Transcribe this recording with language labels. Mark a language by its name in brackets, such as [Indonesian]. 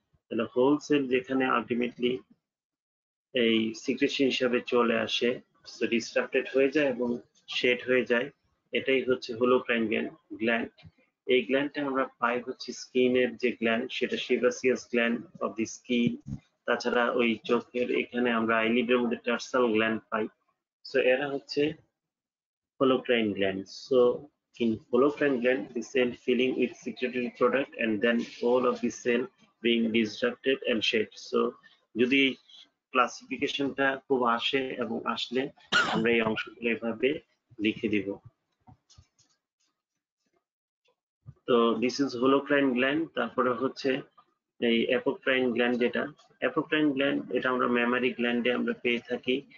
[English] The whole cell [Bangla] যেখানে ultimately এই secretion হিসাবে চলে আসে, [English] so disrupted [Bangla] হয়ে যায় এবং shed হয়ে যায়, এটাই হচ্ছে holocrine gland. এই glandটা আমরা পাই হচ্ছে স্কিনের যে gland সেটা [English] sebaceous gland of the skin, [Bangla] তাছাড়া ওই চোখের এখানে আমরা আইলিডের মধ্যে tarsal gland পাই, so এরা হচ্ছে holocrine gland. [English] So in holocrine gland the cell filling with secretory product and then all of the cell being disrupted and shed. [Bangla] So যদি ক্লাসিফিকেশনটা খুব আসে এবং আসলে আমরা এই অংশগুলো এভাবে লিখে দিব। তো [English] this is holocrine gland, [Bangla] তারপরে হচ্ছে এই অ্যাপোক্রাইন গ্ল্যান্ড, যেটা অ্যাপোক্রাইন গ্ল্যান্ড এটা আমরা মেমারি গ্ল্যান্ডে আমরা পেয়ে থাকি।